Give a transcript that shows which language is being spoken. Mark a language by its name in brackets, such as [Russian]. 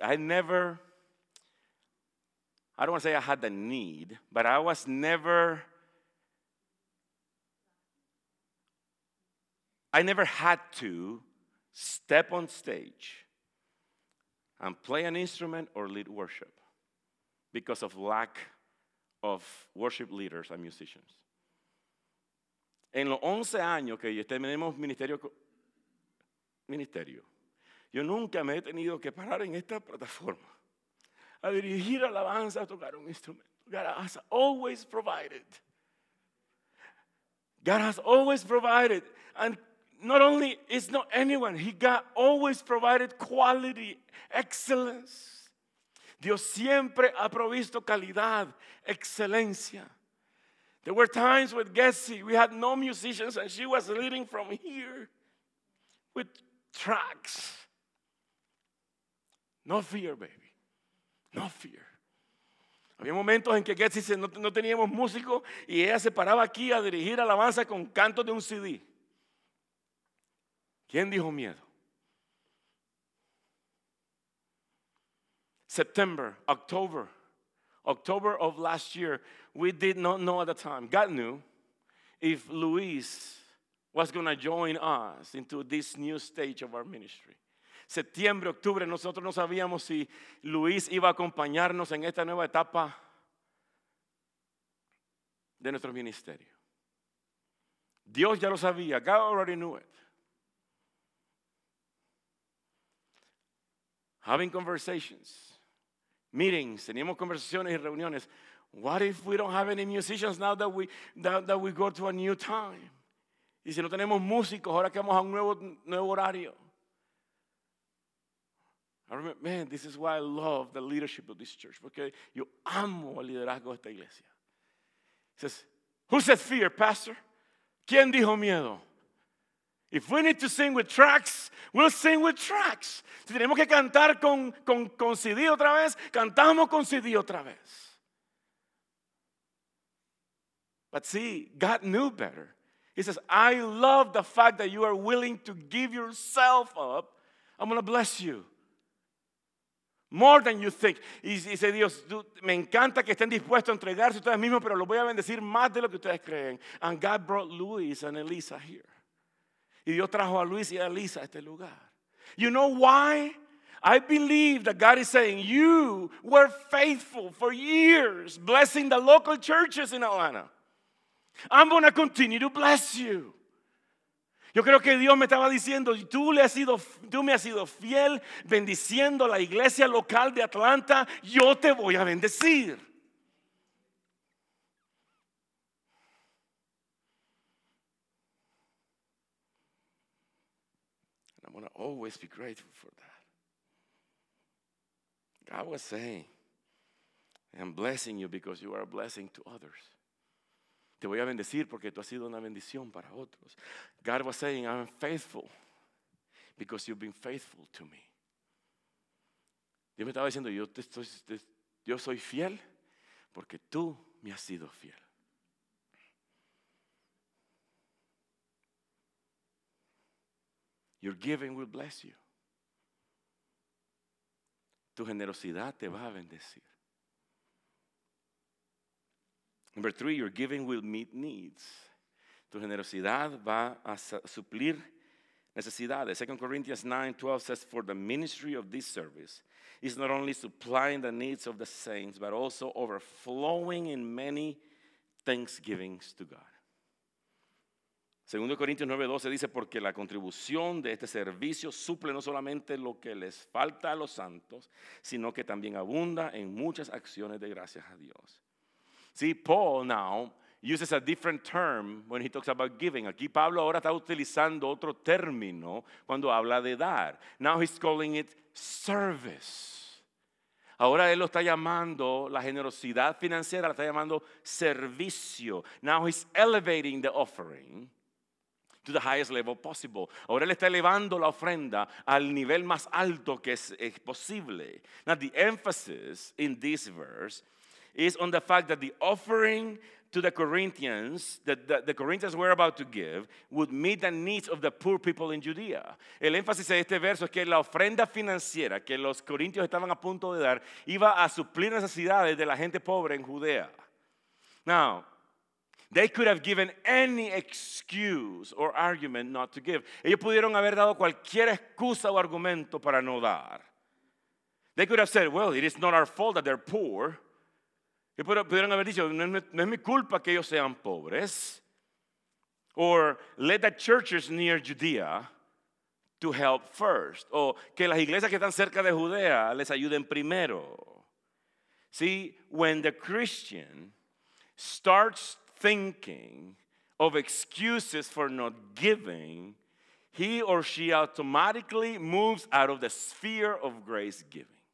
[English] I don't want to say I had the need, but I was never, I never had to step on stage and play an instrument or lead worship. Because of lack of worship leaders and musicians. [Spanish] En los 11 años que tenemos ministerio, yo nunca me he tenido que parar en esta plataforma a dirigir alabanza, a tocar un instrumento. [English] God has always provided. God has always provided. And not only is not anyone, he got always provided quality, excellence. [Spanish] Dios siempre ha provisto calidad, excelencia. [English] There were times with Getsy, we had no musicians, and she was leading from here with tracks. No fear, baby. No fear. [Spanish] Había momentos en que Getsy dice, no teníamos músico, y ella se paraba aquí a dirigir alabanza con cantos de un CD. ¿Quién dijo miedo? [English] September, October. October of last year, we did not know at the time. God knew if Luis was going to join us into this new stage of our ministry. [Spanish] Septiembre, octubre, nosotros no sabíamos si Luis iba a acompañarnos en esta nueva etapa de nuestro ministerio. Dios ya lo sabía. [English] God already knew it. Having conversations. Meetings, [Spanish] teníamos conversaciones y reuniones. [English] What if we don't have any musicians now that we go to a new time? [Spanish] Y si no tenemos músicos, ahora que vamos a un nuevo horario. [English] I remember, man, this is why I love the leadership of this church. [Spanish] Porque yo amo el liderazgo de esta iglesia. [English] He says, who said fear, pastor? [Spanish] ¿Quién dijo miedo? [English] If we need to sing with tracks, we'll sing with tracks. [Spanish] Si tenemos que cantar con CD otra vez, cantamos con CD otra vez. [English] But see, God knew better. He says, I love the fact that you are willing to give yourself up. I'm going to bless you. More than you think. [Spanish] Y dice Dios, me encanta que estén dispuestos a entregarse ustedes mismos, pero los voy a bendecir más de lo que ustedes creen. [English] And God brought Luis and Elisa here. [Spanish] Y Dios trajo a Luis y a Elisa a este lugar. [English] You know why? I believe that God is saying, you were faithful for years blessing the local churches in Atlanta. I'm going to continue to bless you. [Spanish] Yo creo que Dios me estaba diciendo, tú me has sido fiel bendiciendo la iglesia local de Atlanta. Yo te voy a bendecir. [English] I want to always be grateful for that. God was saying, I'm blessing you because you are a blessing to others. [Spanish] Te voy a bendecir porque tú has sido una bendición para otros. [English] God was saying, I'm faithful because you've been faithful to me. [Spanish] Dios me estaba diciendo, yo soy fiel porque tú me has sido fiel. [English] Your giving will bless you. [Spanish] Tu generosidad te va a bendecir. [English] Number three, your giving will meet needs. [Spanish] Tu generosidad va a suplir necesidades. [English] 2 Corinthians 9:12 says, for the ministry of this service is not only supplying the needs of the saints, but also overflowing in many thanksgivings to God. [Spanish] 2 Corintios 9:12 dice, porque la contribución de este servicio suple no solamente lo que les falta a los santos, sino que también abunda en muchas acciones de gracias a Dios. [English] See, Paul now uses a different term when he talks about giving. [Spanish] Aquí Pablo ahora está utilizando otro término cuando habla de dar. [English] Now he's calling it service. [Spanish] Ahora él lo está llamando, la generosidad financiera la está llamando servicio. [English] Now he's elevating the offering to the highest level possible. [Spanish] Ahora él está elevando la ofrenda al nivel más alto que es posible. [English] Now the emphasis in this verse is on the fact that the offering to the Corinthians, that the Corinthians were about to give, would meet the needs of the poor people in Judea. [Spanish] El énfasis de este verso es que la ofrenda financiera que los corintios estaban a punto de dar iba a suplir necesidades de la gente pobre en Judea. [English] Now, they could have given any excuse or argument not to give. [Spanish] Ellos pudieron haber dado cualquier excusa o argumento para no dar. [English] They could have said, well, it is not our fault that they're poor. [Spanish] Ellos pudieron haber dicho, no es mi culpa que ellos sean pobres. [English] Or, let the churches near Judea to help first. [Spanish] O, que las iglesias que están cerca de Judea les ayuden primero. [English] See, when the Christian starts thinking of excuses for not giving, he or she automatically moves out of the sphere of grace giving.